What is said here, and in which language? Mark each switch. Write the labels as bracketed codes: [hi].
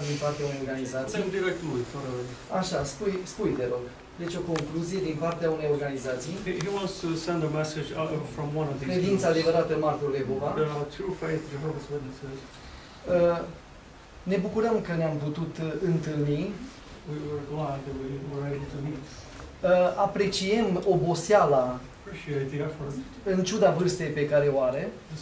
[ro] Din partea unei organizații. Sunt direct lui, fără... Așa, spui, te rog. Deci o concluzie din partea unei organizații. [en] He wants to send a message from one of these. [ro] Credința adevărată, Marturile Jehova. [en] True faith, Jehovah's Witnesses. [ro] Ne bucurăm că ne-am putut întâlni. [en] We were glad that we were able to meet. [ro] Apreciem oboseala în ciuda vârstei pe care o are.